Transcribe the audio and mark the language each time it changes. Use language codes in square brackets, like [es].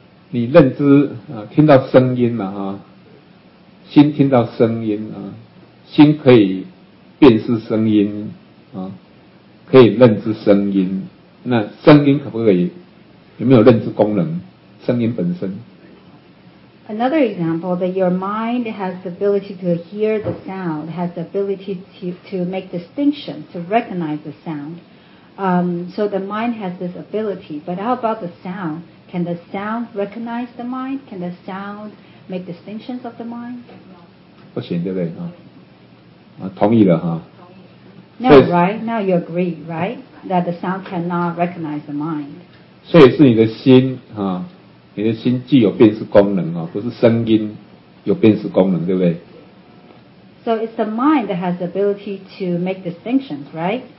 [zh] 你认知啊，听到声音嘛哈、啊，心听到声音啊，心可以辨识声音啊，可以认知声音。那声音可不可以有没有认知功能？声音本身。 [en] Another example that your mind has the ability to hear the sound, has the ability to make distinction, to recognize the sound. So the mind has this ability. But how about the sound? Can the sound recognize the mind? Can the sound make distinctions of the mind? [zh] 不行，对不对？啊，同意了哈。 [en] No, right? Now you agree, right? That the sound cannot recognize the mind. [zh] 所以是你的心啊，你的心具有辨识功能啊，不是声音有辨识功能，对不对？ [en] So it's the mind that has the ability to make distinctions, right?